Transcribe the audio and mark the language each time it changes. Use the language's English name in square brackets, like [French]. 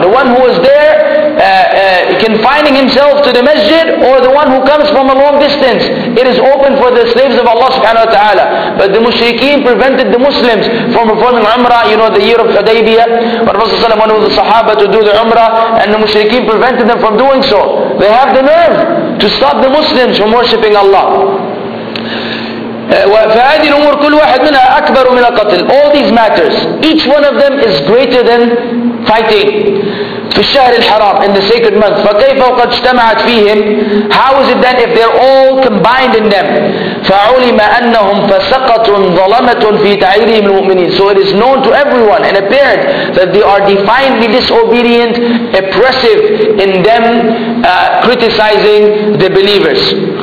[English] The one who is there confining himself to the masjid, or the one who comes from a long distance, it is open for the slaves of Allah subhanahu wa ta'ala. But the mushrikeen prevented the Muslims from performing Umrah, you know, the year of Hudaybiyah. But Rasulullah went with the Sahaba to do the Umrah, and the mushrikeen prevented them from doing so. They have the nerve to stop the Muslims from worshipping Allah. [Arabic] فهذه الأمور كل واحد منها أكبر من القتل. [English] All these matters, each one of them is greater than fighting. [Arabic] في الشهر الحرام, [English] in the sacred month. [Arabic] فكيف وقد اجتمعت فيهم. [English] How is it then if they're all combined in them. [Arabic] فعلم أنهم فسقة ظلمة في تعيرهم المؤمنين. [English] So it is known to everyone and apparent that they are defiantly disobedient, oppressive in them criticizing the believers.